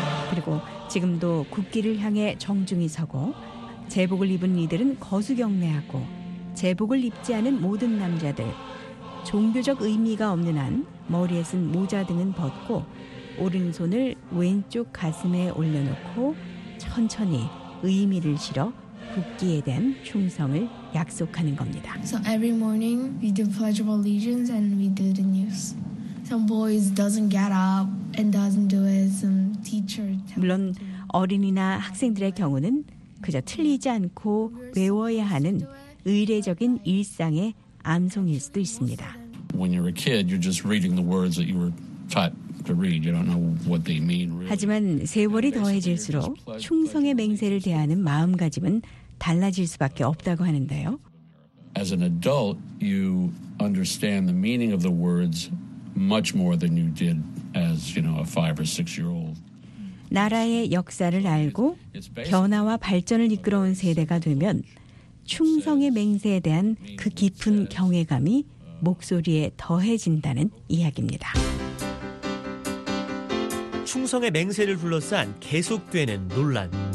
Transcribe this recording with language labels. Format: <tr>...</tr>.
<ko>그리고 지금도 국기를 향해 정중히 서고 제복을 입은 이들은 거수 경례하고 제복을 입지 않은 모든 남자들 종교적 의미가 없는 한 머리에 쓴 모자 등은 벗고 오른손을 왼쪽 가슴에 올려놓고 천천히 의미를 실어 국기에 대한 충성을 약속하는 겁니다.</ko> <en>So every morning we do Pledge of Allegiance and we do the news. Some boys doesn't get up and doesn't do it. Some teacher.</en> <ko>물론 어린이나 학생들의 경우는 그저 틀리지 않고 외워야 하는 의례적인 일상의 암송일 수도 있습니다.</ko> <en>When you're a kid, you're just reading the words that you were taught. You don't know what they mean, really.</en> <ko>하지만 세월이 더해질수록 충성의 맹세를 대하는 마음가짐은 달라질 수밖에 없다고 하는데요.</ko> <en>As an adult, you understand the meaning of the words much more than you did as, you know, a 5 or 6 year old.</en> <ko>나라의 역사를 알고 변화와 발전을 이끌어온 세대가 되면 충성의 맹세에 대한 그 깊은 경외감이 목소리에 더해진다는 이야기입니다. 충성의 맹세를 둘러싼 계속되는 논란.</ko>